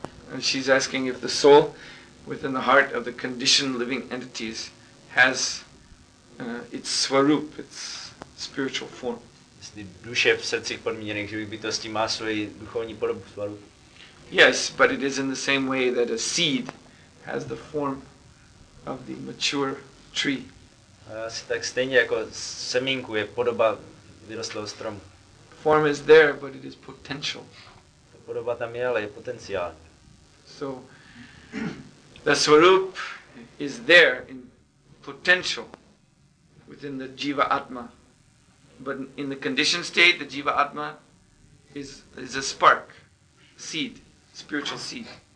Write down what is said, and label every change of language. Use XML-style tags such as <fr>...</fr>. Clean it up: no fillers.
<en>And she's asking if the soul within the heart of the conditioned living entities has its swarup, its spiritual form.</en> <cs>Jestli duše v srdcích podmíněných živých bytostí má svoji duchovní podobu, svarup.</cs> <en>Yes, but it is in the same way that a seed has the form of the mature tree.</en> <cs>Asi tak stejně jako semínku je podoba vyrostlého stromu.</cs> <en>Form is there, but it is potential.</en> <cs>Ta podoba tam je, ale je potenciál.</cs> <en>So the swarup is there in potential within the jiva atma, but in the conditioned state, the jiva atma is a spark, seed, spiritual seed.</en>